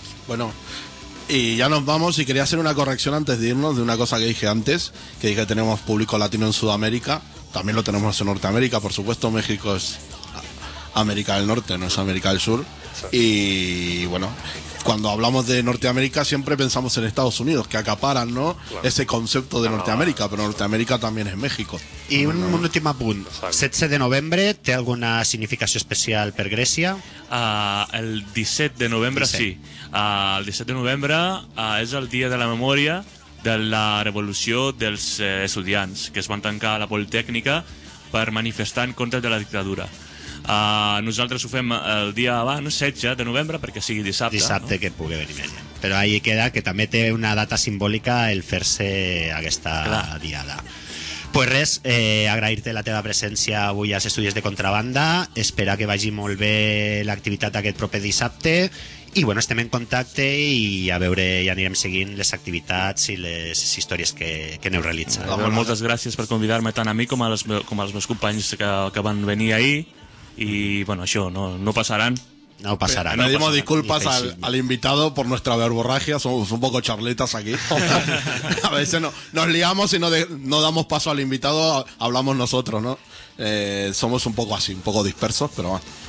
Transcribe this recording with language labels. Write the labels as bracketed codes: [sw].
[es] Bueno, y ya nos vamos, y quería hacer una corrección antes de irnos de una cosa que dije antes, que dije que tenemos público latino en Sudamérica, también lo tenemos en Norteamérica, por supuesto. México es América del Norte, no es América del Sur. Y bueno, cuando hablamos de Norteamérica siempre pensamos en Estados Unidos, que acaparan, ¿no? Claro. Ese concepto de Norteamérica, pero Norteamérica también es México. Y un último apunt. [ca] 16 de novembre, ¿té alguna significació especial per Grècia? El 17 de novembre, 17. Sí. El 17 de novembre és el dia de la memòria de la revolució dels estudiants, que es van tancar a la Politécnica per manifestar en contra de la dictadura. Nosaltres ho fem el dia abans, 16 de novembre, perquè sigui dissabte. Dissabte, no? Que pugui venir més gent. Però ahí queda, que també té una data simbòlica el fer-se aquesta diada. Pues res, agrair-te la teva presència avui als estudis de Contrabanda. Espera que vagi molt bé l'activitat aquest proper dissabte. I bueno, estem en contacte i a veure, ja anirem seguint les activitats i les històries que aneu realitzant. Bueno, moltes gràcies per convidar-me, tant a mi com als meus companys que van venir ahir. [es] Y bueno, yo no pasarán. No pasarán. Pedimos disculpas al invitado por nuestra verborragia. Somos un poco charletas aquí. A veces nos liamos y no damos paso al invitado. Hablamos nosotros, ¿no? Somos un poco así, un poco dispersos, pero bueno.